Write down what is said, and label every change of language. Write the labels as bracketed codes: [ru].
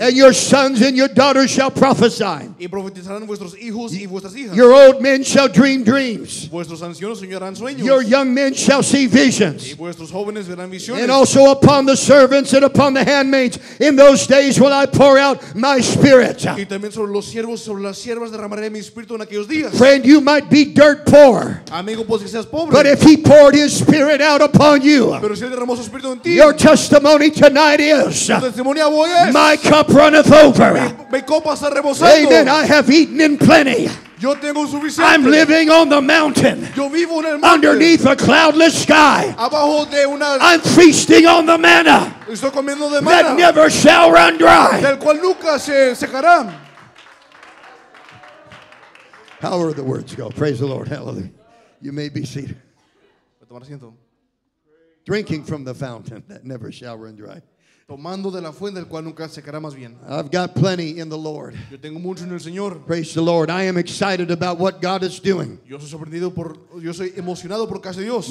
[en] And your sons and your daughters shall prophesy. [es] Y profetizarán vuestros hijos y vuestras hijas. [en] Your old men shall dream dreams. [es] Vuestros ancianos soñarán sueños. [en] Your young men shall see visions. [es] Y vuestros jóvenes verán visiones. [en] And also upon the servants and upon the handmaids. In those days will I pour out my spirit. [es] Y también sobre los siervos y sobre las siervas derramaré mi espíritu en aquellos días. [en] Friend, you might be dirt poor, [es] amigo, pues que seas pobre. [en] But if he poured his spirit out upon you, [es] pero si él derramó su espíritu en ti, [en] your testimony tonight is, [es] tu testimonio hoy es, [en] my cup runneth over. [es] Mi copa está rebosando. [en] Amen, I have eaten in plenty. [es] Yo tengo suficiente. [en] I'm living on the mountain. [es] Yo vivo en el monte. [en] Underneath a cloudless sky. [es] Abajo de una... [en] I'm feasting on the manna. [es] Estoy comiendo de manna. [en] That never shall run dry. [es] Del cual nunca se secará. [en] How are the words go? Praise the Lord. Hallelujah. You may be seated. Drinking from the fountain that never shall run dry. [es] Tomando de la fuente del cual nunca secará más bien. [en] I've got plenty in the Lord. [es] Yo tengo mucho en el Señor. [en] Praise the Lord. I am excited about what God is doing. [es] Yo soy sorprendido por, yo soy emocionado por casa de Dios.